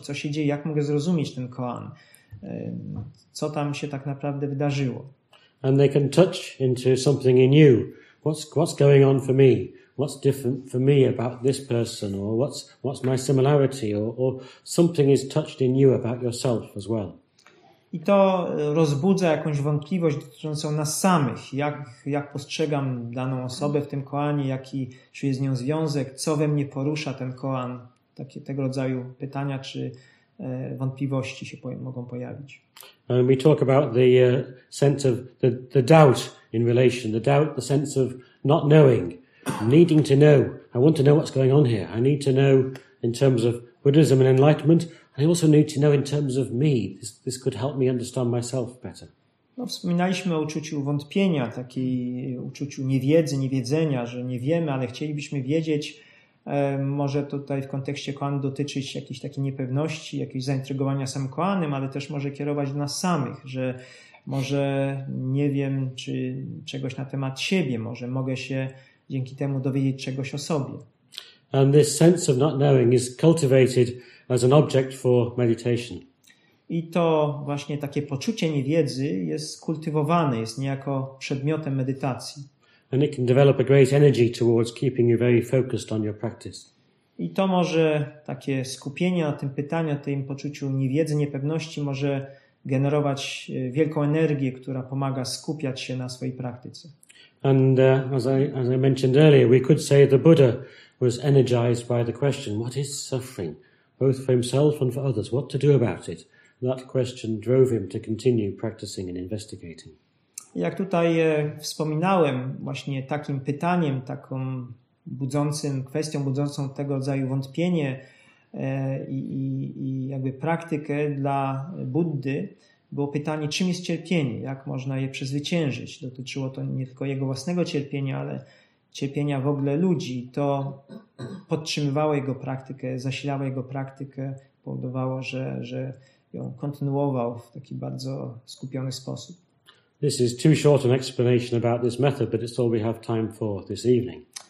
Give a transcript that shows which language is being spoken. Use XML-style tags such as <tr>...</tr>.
<pl>Co się dzieje? Jak mogę zrozumieć ten koan? Co tam się tak naprawdę wydarzyło?</pl> <en>And they can touch into something in you. What's going on for me? What's different for me about this person, or what's my similarity, or something is touched in you about yourself as well.</en> <pl>I to rozbudza jakąś wątpliwość dotyczącą nas samych, jak postrzegam daną osobę w tym koanie, jaki czy jest z nią związek, co we mnie porusza ten koan, takie tego rodzaju pytania czy wątpliwości się mogą pojawić.</pl> <en>And we talk about the sense of the doubt in relation, the doubt, the sense of not knowing. Needing to know. I want to know what's going on here. I need to know in terms of Buddhism and enlightenment. I also need to know in terms of me. This could help me understand myself better.</en> <pl>No, wspominaliśmy o uczuciu wątpienia, takiej uczuciu niewiedzy, niewiedzenia, że nie wiemy, ale chcielibyśmy wiedzieć. Może tutaj w kontekście koanu dotyczyć jakiejś takiej niepewności, jakiegoś zaintrygowania samym koanem, ale też może kierować do nas samych, że może nie wiem czy czegoś na temat siebie, może mogę się dzięki temu dowiedzieć czegoś o sobie.</pl> <en>And this sense of not knowing is cultivated as an object for meditation.</en> <pl>I to właśnie takie poczucie niewiedzy jest kultywowane, jest niejako przedmiotem medytacji.</pl> <en>And it can develop a great energy towards keeping you very focused on your practice.</en> <pl>I to może takie skupienie na tym pytaniu, o tym poczuciu niewiedzy, niepewności może generować wielką energię, która pomaga skupiać się na swojej praktyce.</pl> <en>And as I mentioned earlier, we could say the Buddha was energized by the question, what is suffering, both for himself and for others, what to do about it? That question drove him to continue practicing and investigating.</en> <pl>Jak tutaj wspominałem, właśnie takim pytaniem, taką budzącym kwestią, budzącą tego rodzaju wątpienie i jakby praktykę dla Buddy, było pytanie, czym jest cierpienie, jak można je przezwyciężyć. Dotyczyło to nie tylko jego własnego cierpienia, ale cierpienia w ogóle ludzi. To podtrzymywało jego praktykę, zasilało jego praktykę, powodowało, że ją kontynuował w taki bardzo skupiony sposób.</pl> <en>This is too short an explanation about this method, but it's all we have time for this evening.</en>